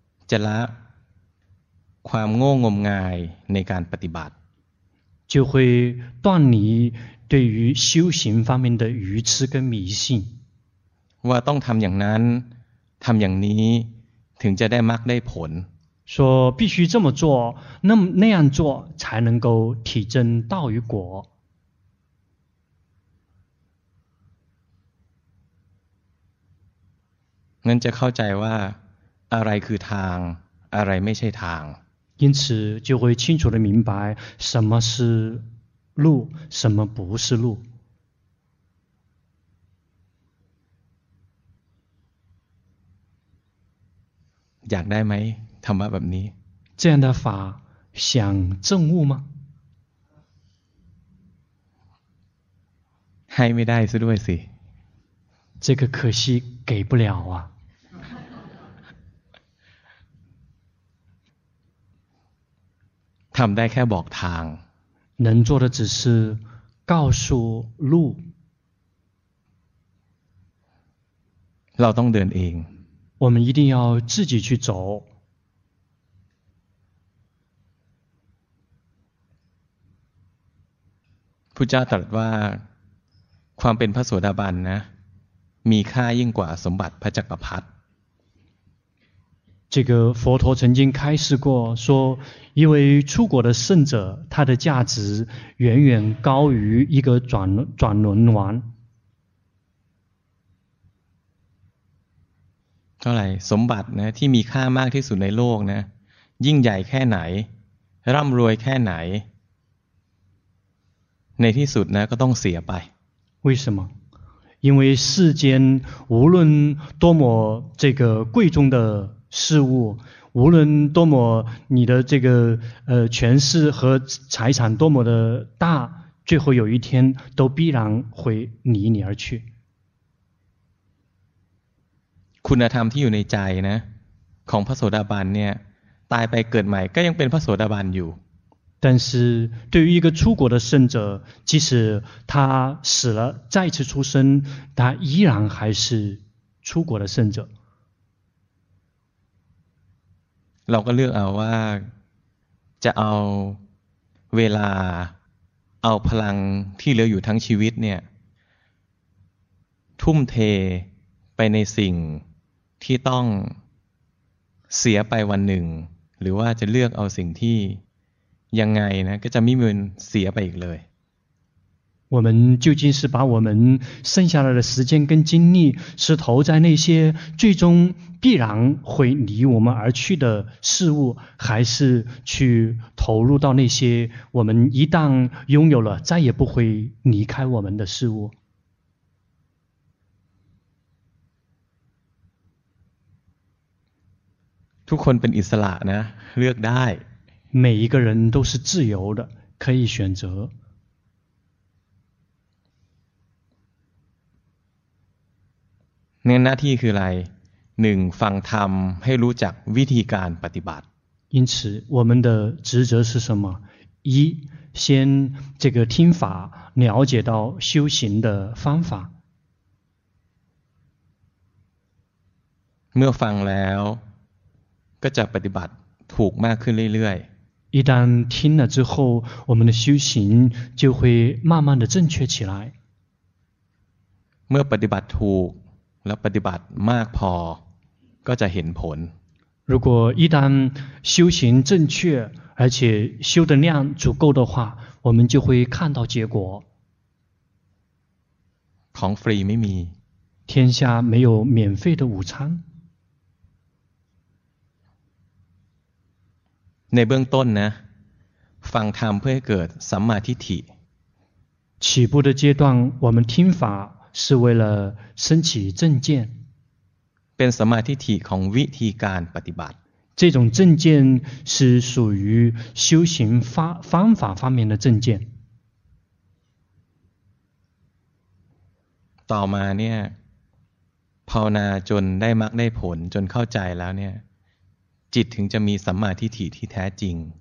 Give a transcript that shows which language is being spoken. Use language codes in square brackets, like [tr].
[th] จะละความโง่งมงายในการปฏิบัติ [zh] 就会断离对于修行方面的愚痴跟迷信 [th] ว่าต้องทำอย่างนั้นทำอย่างนี้ถึงจะได้มรรคได้ผล [zh] 说必须这么做那样做才能够体证道与果 [th] งั้นจะเข้าใจว่าอะไรคือทางอะไรไม่ใช่ทาง [zh] 因此就会清楚地明白什么是路什么不是路 [th] อยากได้ไหมธรรมะแบบนี้ [zh] 这样的法想证悟吗 [th] ให้ไม่ได้ซะด้วยสิ [zh] 这个可惜给不了啊 [th] ทำได้แค่บอกทาง [zh] 能做的只是告诉路 [th] เราต้องเดินเอง [zh] 我们一定要自己去走 [th] พุทธเจ้าตรัสว่าความเป็นพระโสดาบันนะมีค่ายิ่งกว่าสมบัติพระจักรพรรดิ [zh] 这个佛陀曾经开示过说一位出国的圣者他的价值远远高于一个转轮王 [th] เท่าไหร่สมบัตินะที่มีค่ามากที่สุดในโลกนะยิ่งใหญ่แค่ไหนร่ำรวยแค่ไหนในที่สุดนะก็ต้องเสียไป [zh] 为什么因为世间无论多么这个贵重的事物无论多么你的这个权势和财产多么的大最后有一天都必然会离你而去 [th] คุณธรรมที่อยู่ในใจนะของพระโสดาบันเนี่ยตายไปเกิดใหม่ก็ยังเป็นพระโสดาบันอยู่ [zh] 但是对于一个出国的圣者，即使他死了，再次出生，他依然还是出国的圣者。 [th] เราก็เลือกเอาว่าจะเอาเวลาเอาพลังที่เหลืออยู่ทั้งชีวิตเนี่ยทุ่มเทไปในสิ่งที่ต้องเสียไปวันหนึ่งหรือว่าจะเลือกเอาสิ่งที่ยังไงนะก็จะไม่มีเสียไปอีกเลย [zh] 我们究竟是把我们剩下来的时间跟精力是投在那些最终必然会离我们而去的事物，还是去投入到那些我们一旦拥有了再也不会离开我们的事物？ [th] ทุกคนเป็นอิสระนะเลือกได้ [zh] 每一个人都是自由的，可以选择。 [th] งั้นหน้าที่คืออะไร1ฟังธรรมให้รู้จักวิธีการปฏิบัติ [zh] 因此我们的职责是什么一先这个听法了解到修行的方法 [th] เมื่อฟังแล้วก็จะปฏิบัติถูกมากขึ้นเรื่อย [zh] ๆ一旦听了之后我们的修行就会慢慢的正确起来 [th] เมื่อปฏิบัติถูกแล้วปฏิบัติมากพอก็จะเห็นผล [zh] 如果一旦修行正确而且修的量足够的话我们就会看到结果 [th] ของฟรีไม่มี [zh] 天下没有免费的午餐 [th] ในเบื้องต้นนะฟังธรรมเพื่อให้เกิดสัมมาทิฏฐิ [zh] 起步的阶段我们听法是为了升起正见 [th] เป็นสมาธิที่ของวิธีการปฏิบัติ [zh] 这种正见是属于修行方法方面的正见 [th] ต่อมาเนี่ยภาวนาจนได้มรรคได้ผลจนเข้าใจแล้วเนี่ยจิตถึงจะมีสัมมาทิฏฐิที่แท้จริง